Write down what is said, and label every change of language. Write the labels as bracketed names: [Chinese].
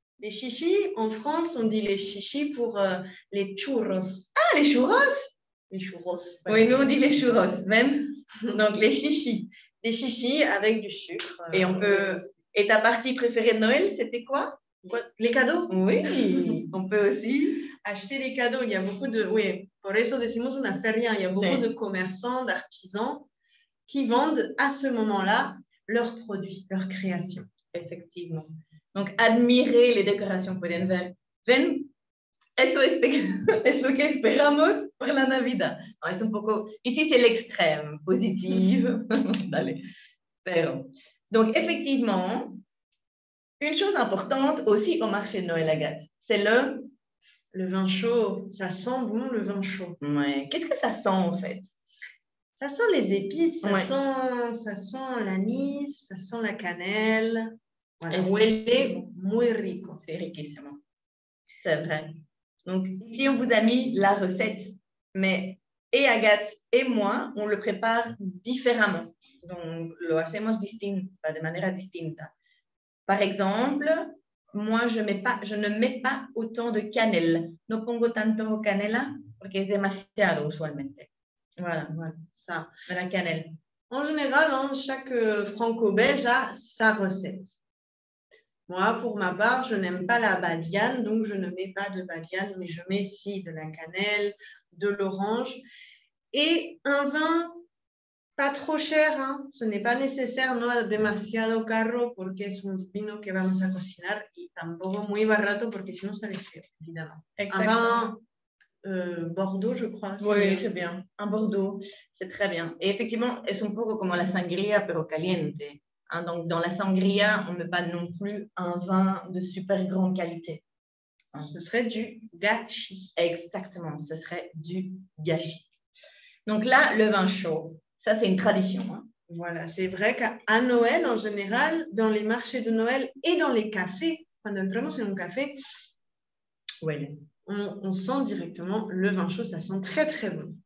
[French] Des chichis, en France, on dit les chichis pour les churros. Ah, les churros. Les churros. Ouais. Oui, nous on dit les churros, même. Donc les chichis. Des chichis avec du sucre. Et on peut. Et ta partie préférée de Noël, c'était quoi? Les cadeaux. Oui, on peut aussi acheter les cadeaux. Il y a beaucoup de, oui, [Spanish] por eso decimos una feria. [French] Il y a beaucoup de commerçants, d'artisans qui vendent à ce moment-là leurs produits, leurs créations. Effectivement. Donc admirer les décorations [Spanish] pueden ver. Ven, es lo que esperamos para la Navidad. Non, es un poco. [French] Ici c'est l'extrême positive. Allez. Pero. Donc effectivement. Une chose importante aussi au marché de Noël, Agathe, c'est le vin chaud. Ça sent bon, le vin chaud. Ouais. Qu'est-ce que ça sent, en fait? Ça sent les épices, ça, ouais. ça sent l'anis, ça sent la cannelle. [Spanish] Voilà. Huele muy rico. [French] C'est riquissimo. C'est vrai. Donc, ici, on vous a mis la recette, mais et Agathe et moi, on le prépare différemment. [Spanish] Donc, lo hacemos distinto, de manera distinta. [French] Par exemple, moi, je ne mets pas autant de cannelle. [Spanish] No pongo tanto canela porque es demasiado usualmente. [French] Voilà, voilà, ça. La cannelle. En général, hein, chaque franco-belge a sa recette. Moi, pour ma part, je n'aime pas la badiane, donc je ne mets pas de badiane, mais je mets si de la cannelle, de l'orange et un vin. Pas trop cher, hein. Ce n'est pas nécessaire, [Spanish] no demasiado caro, porque es un vino que vamos a cocinar, y tampoco muy barato, porque [French] sinon ça les fait, évidemment. Exactement. Un vin Bordeaux, je crois. C'est oui, bien. C'est bien. Un Bordeaux, c'est très bien. Et effectivement, [Spanish] es un poco como la sangria, pero caliente. [French] Hein, donc, dans la sangria, on ne met pas non plus un vin de super grande qualité. Hein. Ce serait du gâchis. Exactement, ce serait du gâchis. Donc là, le vin chaud. Ça, c'est une tradition. Hein. Voilà, c'est vrai qu'à Noël, en général, dans les marchés de Noël et dans les cafés, quand nous entrons dans un café, ouais, on sent directement le vin chaud, ça sent très très bon.